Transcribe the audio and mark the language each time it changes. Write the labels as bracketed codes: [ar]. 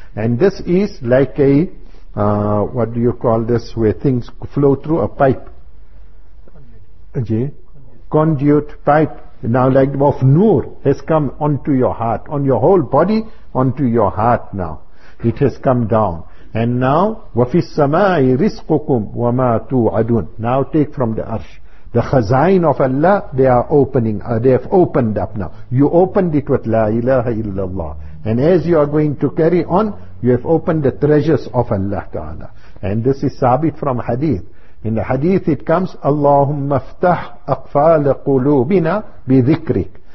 [en] And this is like a, what do you call this, where things flow through a pipe. Conduit pipe. Now like of nur has come onto your heart, on your whole body, onto your heart now. It has come down. And now, [ar] وَفِي السَّمَاءِ رِزْقُكُمْ وَمَا تُوْعَدُونَ. [en] Now take from the arsh. The khazain of Allah, they are opening, they have opened up now. You opened it with La ilaha illallah. And as you are going to carry on, you have opened the treasures of Allah Ta'ala. And this is sabit from hadith. In the hadith it comes, [ar] Allahumma ftah aqfal qulubina bi dhikrik.